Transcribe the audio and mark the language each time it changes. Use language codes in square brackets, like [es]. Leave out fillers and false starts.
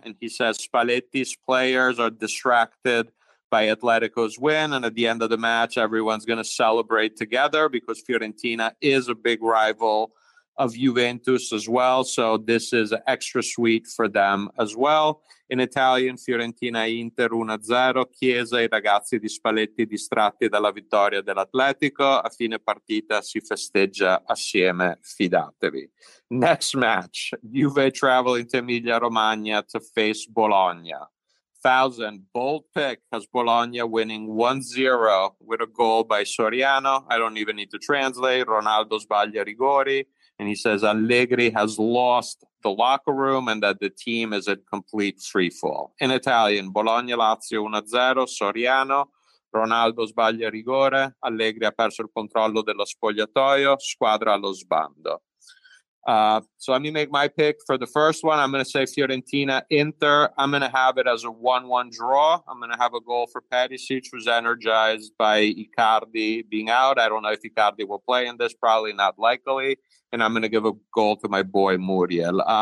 [en] And he says Spalletti's players are distracted by Atletico's win. And at the end of the match, everyone's going to celebrate together because Fiorentina is a big rival of Juventus as well. So this is extra sweet for them as well. In Italian, [it] Fiorentina Inter 1-0, Chiesa e ragazzi di Spalletti distratti dalla vittoria dell'Atletico. A fine partita si festeggia assieme, fidatevi. [en] Next match, Juve traveling to Emilia-Romagna to face Bologna. Thousand, bold pick, has Bologna winning 1-0 with a goal by Soriano. I don't even need to translate. [it] Ronaldo sbaglia rigori. [en] And he says Allegri has lost the locker room and that the team is in complete freefall. In Italian, [it] Bologna-Lazio 1-0, Soriano, Ronaldo sbaglia rigore, Allegri ha perso il controllo dello spogliatoio, squadra allo sbando. [en] So let me make my pick for the first one. I'm going to say Fiorentina-Inter. I'm going to have it as a 1-1 draw. I'm going to have a goal for Perisic, who's energized by Icardi being out. I don't know if Icardi will play in this, probably not likely. And I'm going to give a goal to my boy Muriel.